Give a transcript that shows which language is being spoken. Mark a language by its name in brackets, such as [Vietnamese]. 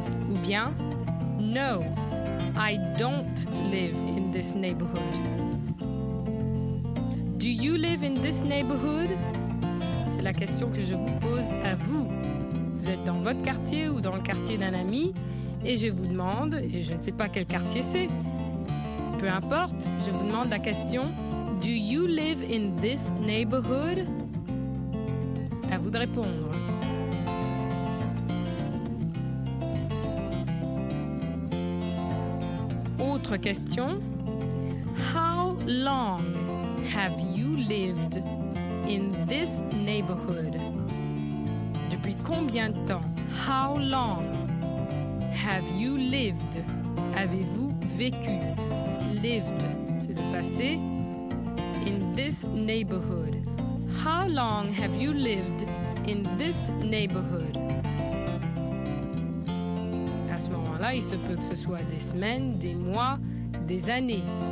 [French] Ou bien, [English] no, I don't live in this neighborhood. Do you live in this neighborhood? [French] C'est la question que je vous pose à vous. Vous êtes dans votre quartier ou dans le quartier d'un ami et je vous demande, et je ne sais pas quel quartier c'est, peu importe, je vous demande la question, [English] do you live in this neighborhood? [French] À vous de répondre. Autre question. [English] How long have you lived in this neighborhood? [French] Depuis combien de temps? [English] How long have you lived? [French] Avez-vous vécu? Lived, c'est le passé. [English] In this neighborhood. How long have you lived in this neighborhood? [French] À ce moment-là, il se peut que ce soit des semaines, des mois, des années.